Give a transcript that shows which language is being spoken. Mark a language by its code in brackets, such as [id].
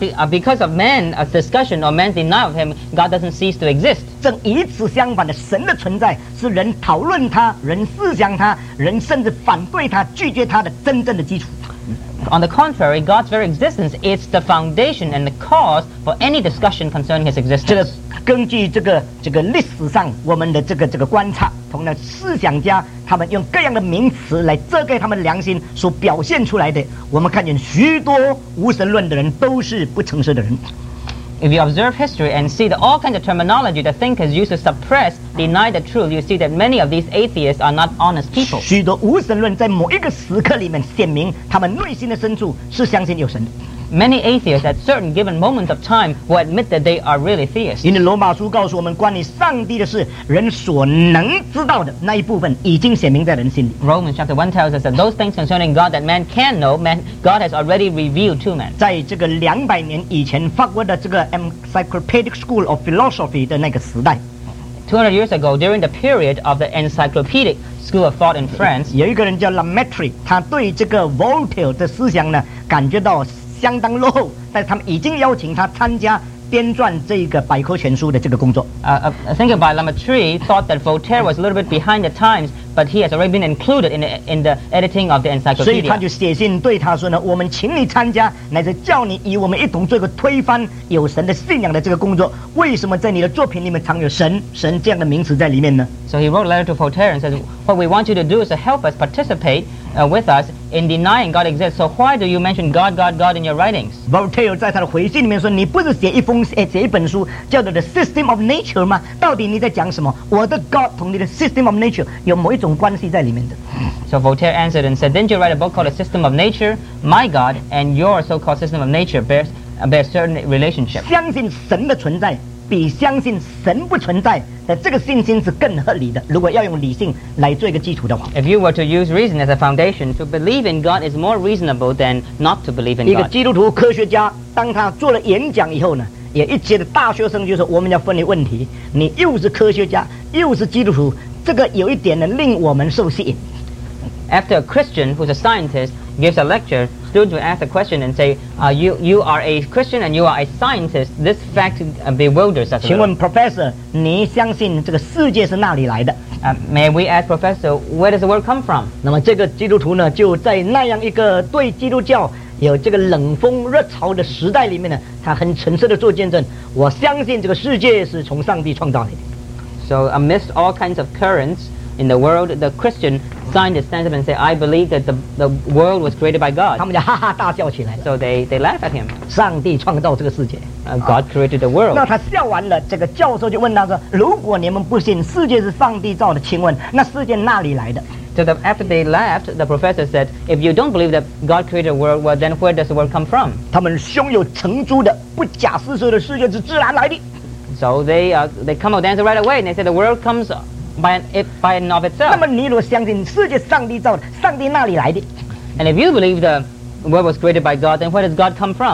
[en] Because of man's discussion or man's denial of him, God doesn't cease to exist. [zh] 正与此相反的，神的存在是人讨论他、人思想他、人甚至反对他、拒绝他的真正的基础。 [en] On the contrary, God's very existence is the foundation and the cause for any discussion concerning his existence. [zh] 这个根据这个历史上我们的这个观察，同样思想家他们用各样的名词来遮盖他们的良心所表现出来的，我们看见许多无神论的人都是不诚实的人。 [en] If you observe history and see that all kinds of terminology that thinkers use to suppress, deny the truth, you see that many of these atheists are not honest people. [zh] 许多无神论在某一个时刻里面显明他们内心的深处是相信有神的。 [en] Many atheists at certain given moments of time will admit that they are really theists. [zh] 因为罗马书告诉我们关于上帝的事，人所能知道的那一部分已经显明在人心里。 [en] Romans chapter 1 tells us that those things concerning God that man can know, God has already revealed to man. [zh] 在这个200年以前，法国的这个 Encyclopedic School of Philosophy 的那个时代。 [en] 200 years ago, during the period of the Encyclopedic School of Thought in France, [zh] 有一个人叫 Lemaître, 他对这个 Voltaire 的思想呢，感觉到相当落后，但他们已经邀请他参加编撰这个百科全书的这个工作。 [en] I think by Lemaître thought that Voltaire was a little bit behind the times, but he has already been included in the editing of the encyclopedia. [zh] 所以他就写信对他说呢，我们请你参加，乃是叫你与我们一同做个推翻有神的信仰的这个工作。为什么在你的作品里面常有神这样的名词在里面呢？ [en] So he wrote a letter to Voltaire and says, what we want you to do is to help us participate with us in denying God exists. So why do you mention God, God, God in your writings? [zh] Voltaire 在他的回信里面说，你不是写一本书叫做 The System of Nature 吗？到底你在讲什么？我的 God 同你的 System of Nature 有某一种关系在里面的。 [en] So Voltaire answered and said, didn't you write a book called The System of Nature? My God and your so-called System of Nature bears certain relationship. [zh] 相信神的存在比相信神不存在的这个信心是更合理的，如果要用理性来做一个基础的话。 [en] If you were to use reason as a foundation, to believe in God is more reasonable than not to believe in God. [zh] 一个基督徒科学家当他做了演讲以后呢，也一些的大学生就说，我们要分离问题，你又是科学家又是基督徒，这个有一点呢令我们受吸引。 [en] After a Christian who's a scientist gives a lecture, students will ask a question and say, you are a Christian and you are a scientist. This fact bewilders us. [zh] 请问 Professor, 你相信这个世界是哪里来的？ [en] May we ask Professor, where does the world come from? [zh] 那么这个基督徒呢，就在那样一个对基督教有这个冷风热潮的时代里面呢，他很诚实的做见证，我相信这个世界是从上帝创造来的。 [en] So amidst all kinds of currents in the world, the Christian scientist stands up and says, I believe that the world was created by God. [zh] 他们就哈哈大笑起来了。 [en] So they laugh at him. [zh] 上帝创造这个世界。 [en] God created the world. [zh] 那他笑完了，这个教授就问他说，如果你们不信世界是上帝造的，请问那世界哪里来的？ [en] So after they laughed, the professor said, if you don't believe that God created the world, well then where does the world come from? [zh] 他们胸有成竹的不假思索的，世界是自然来的。 [en] So they come out dancing right away and they said the world comes by and of itself. [zh] 那么你如果相信世界上帝造的，上帝哪里来的？ [en] And if you believe the world was created by God, then where does God come from?